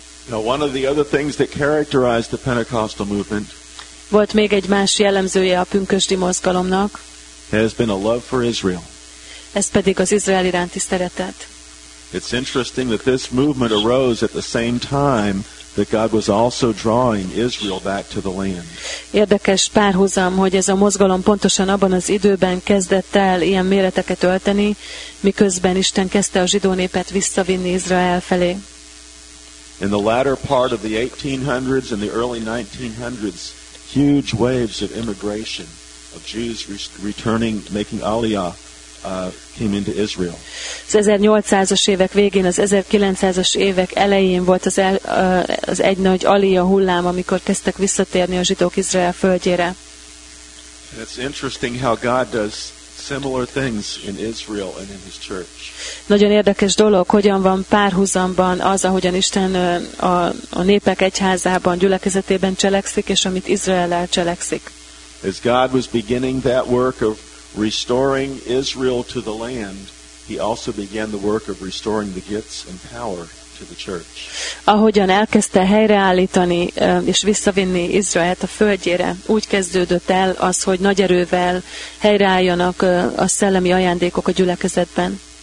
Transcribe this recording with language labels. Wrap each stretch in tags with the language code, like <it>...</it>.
<en>Now, one of the other things that characterized the Pentecostal movement.</en> <hu>Volt még egy más jellemzője a pünkösdi mozgalomnak.</hu> <en>Has been a love for Israel.</en> <hu>Ez pedig az Izrael iránti szeretet.</hu> <en>It's interesting that this movement arose at the same time that God was also drawing Israel back to the land.</en> <hu>Érdekes párhuzam, hogy ez a mozgalom pontosan abban az időben kezdett el ilyen méreteket ölteni, miközben Isten kezdte a zsidó népet visszavinni Izrael felé.</hu> <en>In the latter part of the 1800s and the early 1900s, huge waves of immigration of Jews returning, making Aliyah, came into Israel.</en> <hu>Az 1800-as évek végén, az 1900-as évek elején volt az egy nagy Aliyah hullám, amikor kezdtek visszatérni a zsidók Izrael földjére.</hu> <en>And it's interesting how God does similar things in Israel and in his church.</en> <hu>Nagyon érdekes dolog, hogyan van párhuzamban az, ahogyan Isten a népek egyházában, gyülekezetében cselekszik, és amit Izraellel cselekszik.</hu> <en>As God was beginning that work of restoring Israel to the land, he also began the work of restoring the gifts and power to the church.</en> <hu>Ahogyan elkezdte helyreállítani és visszavinni Izraelt a földjére, úgy kezdődött el az, hogy nagy erővel helyreálljanak a szellemi ajándékok a gyülekezetben.</hu>